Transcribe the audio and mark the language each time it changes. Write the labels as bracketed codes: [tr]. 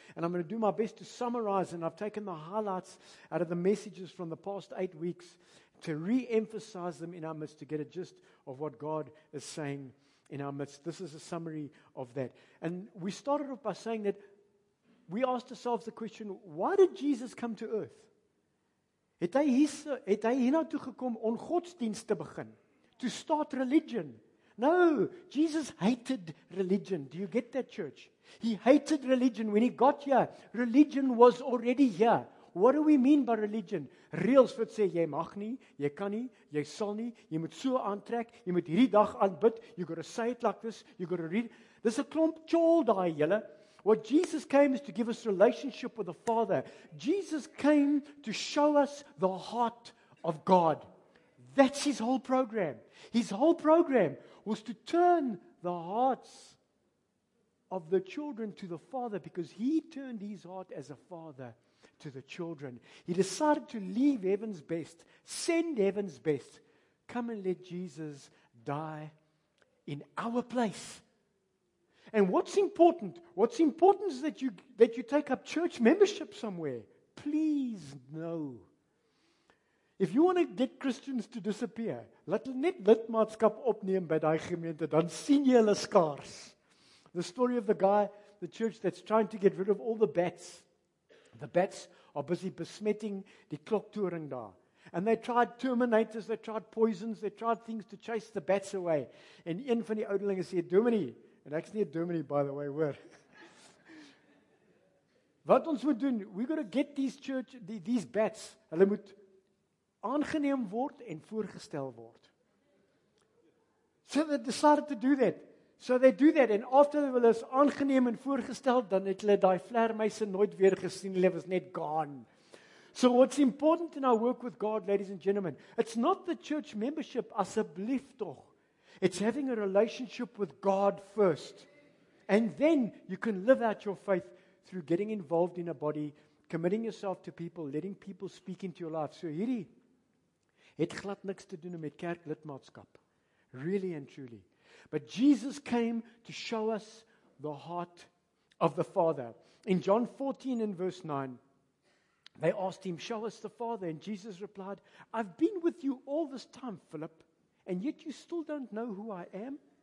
[en] And I'm going to do my best to summarize, and I've taken the highlights out of the messages from the past 8 weeks to re-emphasize them in our midst to get a gist of what God is saying in our midst. This is a summary of that. And we started off by saying that we asked ourselves the question, why did Jesus come to earth? [af] Het hy hierna toe gekom om godsdienst te begin? [en] To start religion? No, Jesus hated religion. Do you get that, church? He hated religion. When He got here, religion was already here. What do we mean by religion? [af] Reels wat sê, jy mag nie, jy kan nie, jy sal nie, jy moet so aantrek, jy moet hierdie dag aanbid, [en] you got to say it like this, you got to read. [af] Dis 'n klomp tjol daai julle. [en] What Jesus came is to give us relationship with the Father. Jesus came to show us the heart of God. That's His whole program. His whole program was to turn the hearts of the children to the Father, because He turned His heart as a father to the children. He decided to leave heaven's best, send heaven's best, come and let Jesus die in our place. And what's important is that you take up church membership somewhere. Please know, if you want to get Christians to disappear, [af] let net lidmaatskap opneem by daai gemeente, dan sien jy hulle skaars. [en] The story of the guy, the church that's trying to get rid of all the bats. The bats are busy [af] besmetting die kloktoring daar. [en] And they tried terminators, they tried poisons, they tried things to chase the bats away. [af] En een van die ouderlinge sê, [en] Dominee, and actually a Dominee, by the way, word. [af] Wat ons moet doen, [en] we got to get these bats, [af] hulle moet aangeneem word en voorgestel word. [en] So they decided to do that. So they do that, and after they were [af] aangeneem en voorgestel, dan het hulle daai vleermuise nooit weer gesien. Hulle was net gone. [en] So what's important in our work with God, ladies and gentlemen, it's not the church membership, [af] asseblief toch. [en] It's having a relationship with God first. And then you can live out your faith through getting involved in a body, committing yourself to people, letting people speak into your life. [af] So hierdie het glad niks te doen met kerklidmaatskap. [en] Really and truly. But Jesus came to show us the heart of the Father. In John 14 and verse 9, they asked him, "Show us the Father." And Jesus replied, "I've been with you all this time, Philip, and yet you still don't know who I am?